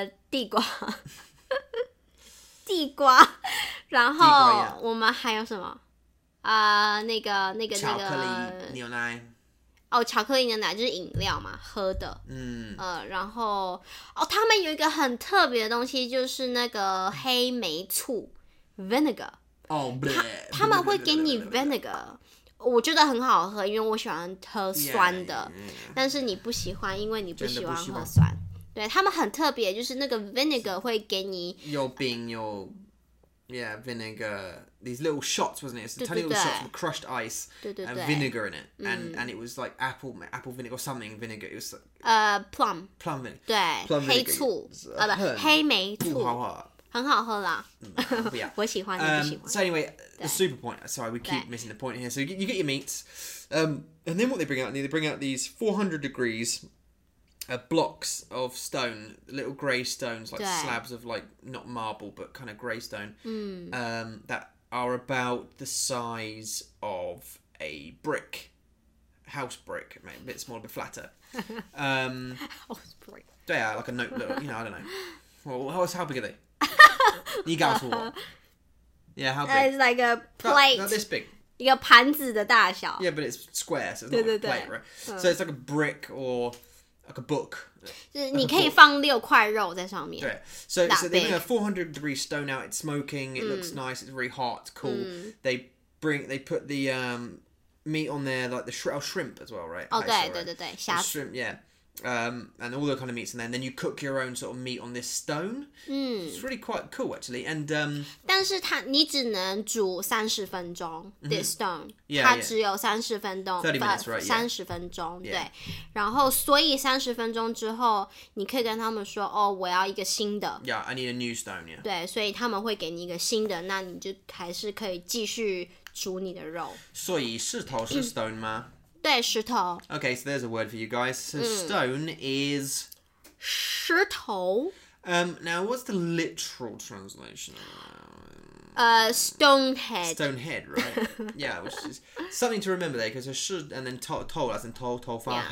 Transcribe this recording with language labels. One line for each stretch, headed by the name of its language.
Chinese: 地瓜 地瓜，然后我们还有什么？那个巧克力牛奶，巧克力牛奶就是饮料嘛，喝的。然后他们有一个很特别的东西，就是那个黑莓醋 ，vinegar，他们会给你 vinegar， 我觉得很好喝，因为我喜欢喝酸的。但是你不喜欢，因为你不喜欢喝酸。对，他们很特别，就是那个 vinegar 会给你有冰有
English: yeah vinegar these little shots wasn't it? It's tiny little shots with crushed ice and vinegar in it and it was like apple vinegar or something vinegar. It was plum vinegar.
Chinese: 对
English: plum
Chinese: vinegar, 黑醋啊不黑莓醋好喝很好喝啦
English: yeah.
Chinese: 我喜欢你不喜欢
English: so anyway the super point sorry we keep missing the point here. So you get your meats and then what they bring out these 400 degrees blocks of stone, little grey stones, like slabs of like, not marble, but kind of grey stone, that are about the size of a brick, house brick, maybe a bit smaller, a bit flatter. house brick. Yeah, like a note, little, you know, I don't know. Well, how big are they? You got to what? Yeah, how big? It's like a plate. Not this big.
Chinese: 一个盘子的大小.
English: Yeah, but it's square, so it's not a plate, right? So it's like a brick or... Like a book.
Chinese: 你可以放六块肉在上面。对。
English: So they bring a 400 degree stone out. It's smoking. It looks nice. It's very hot. Cool. They put the meat on there, like the shrimp as well, right?
Chinese: Oh, 对，虾子。
English: Shrimp, yeah. And all the kind of meats in there. And then you cook your own sort of meat on this stone. It's really quite cool, actually. And,
Chinese: 但是它你只能煮30分钟
English: this stone. Yeah, yeah.
Chinese: 它只有30分钟
English: 30 minutes, right, 30 yeah.
Chinese: 分钟 yeah. 对。然后所以30分钟之后你可以跟他们说哦，我要一个新的。
English: Yeah, I need a new stone, yeah.
Chinese: 对，所以他们会给你一个新的，那你就还是可以继续煮你的肉。所以石头是 stone 吗？对，石头。
English: Okay, so there's a word for you guys. So stone is...
Chinese: 石头。
English: Now, what's the literal translation? Stonehead. Stonehead, right? Yeah, which is something to remember there, because 石 and then 头 as in 头发